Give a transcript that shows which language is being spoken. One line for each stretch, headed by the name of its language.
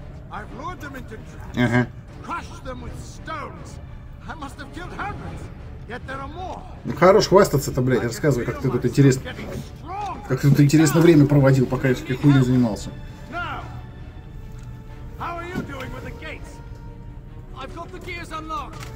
English: I've lured them into traps, crushed them with stones. I must have killed hundreds, yet there are more.
Russian: Ну хорош хвастаться-то, блядь, рассказывай, как ты тут интересно. Как ты тут интересно время проводил, пока я всякой хуйней занимался.
English: Now, how are you doing with the gates? I've got the gears unlocked.